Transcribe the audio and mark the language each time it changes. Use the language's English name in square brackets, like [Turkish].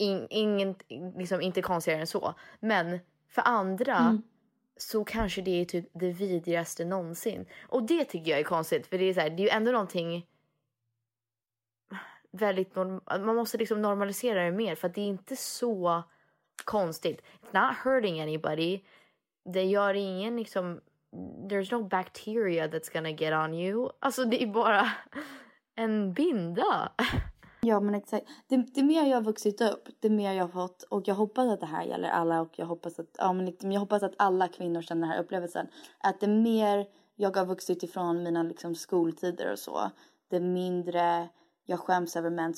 [Swedish] Ingen, liksom inte konstigare än så. Men för andra så kanske det är typ det vidrigaste någonsin. Och det tycker jag är konstigt, för det är så här, det är ju ändå någonting väldigt man måste liksom normalisera det mer, för att det är inte så konstigt. [English] It's not hurting anybody. [Swedish] Det gör ingen liksom, [English] there's no bacteria that's gonna get on you. [Swedish] Alltså det är bara en binda. Ja, men exakt. Det mer jag har vuxit upp, det mer jag har fått. Och jag hoppas att det här gäller alla. Och jag hoppas att, ja, men liksom, jag hoppas att alla kvinnor känner den här upplevelsen. Att det mer jag har vuxit ifrån mina liksom, skoltider och så, det mindre jag skäms över mens.